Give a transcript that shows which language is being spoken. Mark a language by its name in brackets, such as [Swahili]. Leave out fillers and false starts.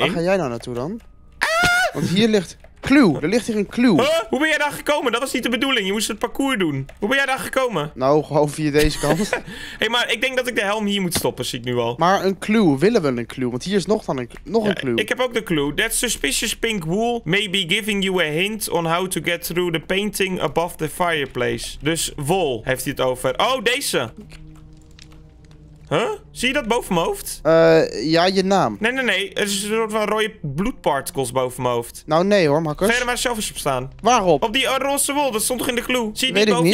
[Dutch] Waar ga jij nou naartoe dan? Want hier ligt... Clue, er ligt hier een clue. Huh? Hoe ben jij daar gekomen? Dat was niet de bedoeling. Je moest het parcours doen. Hoe ben jij daar gekomen? Nou, gewoon via deze kant. Hey, maar ik denk dat ik de helm hier moet stoppen, zie ik nu al. Maar een clue, willen we een clue? Want hier is nog een clue. Ik heb ook de clue. [English] That suspicious pink wool may be giving you a hint on how to get through the painting above the fireplace. [Dutch] Dus wool heeft hij het over. Oh, deze. Huh? Zie je dat boven mijn hoofd? Ja, je naam. Nee. Er is een soort van rode bloedpartikels boven mijn hoofd. Nou, nee hoor, Marcus. Ga je er maar zelf eens op staan. Waarop? Op die roze wol, dat stond toch in de clue? Zie je weet die boven niet.